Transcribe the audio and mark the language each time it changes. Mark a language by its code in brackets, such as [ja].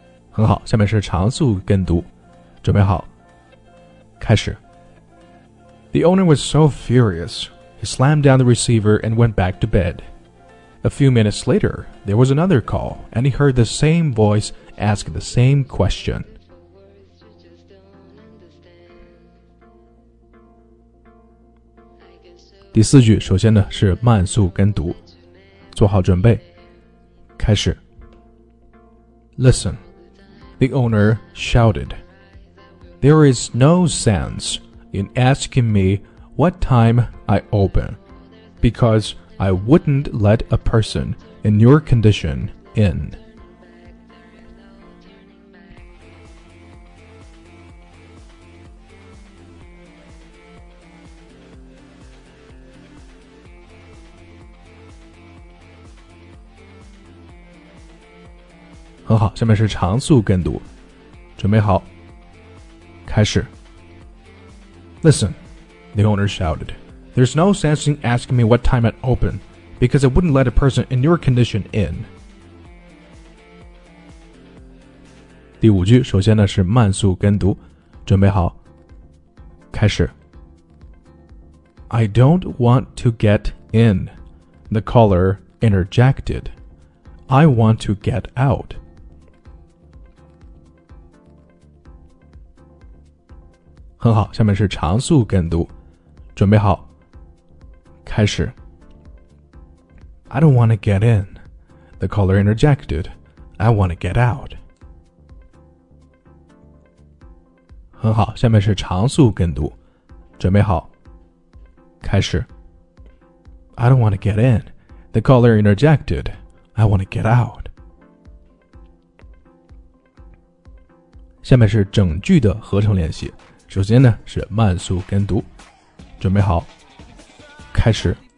[zh] 很好，下面是常速跟读，准备好，开始。 [en] The owner was so furious, he slammed down the receiver and went back to bed. A few minutes later, there was another call, and he heard the same voice ask the same question. [zh] 第四句首先呢是慢速跟读，做好准备，开始。 [en] Listen, the owner shouted. There is no sense in asking me what time I open, because I wouldn't let a person in your condition in. [zh] 很好，下面是常速跟读，准备好，开始。 [en] Listen, the owner shouted. There's no sense in asking me what time I'd open, because I wouldn't let a person in your condition in. [zh] 第五句首先呢是慢速跟读，准备好，开始。 [en] I don't want to get in, the caller interjected. I want to get out. [zh] 很好，下面是常速跟读，准备好，开始。 [en] I don't want to get in, the caller interjected. I want to get out. [zh] 很好，下面是常速跟读，准备好，开始。 [en] I don't want to get in, the caller interjected. I want to get out. [zh] 下面是整句的合成练习。首先呢是慢速跟读，准备好，开始。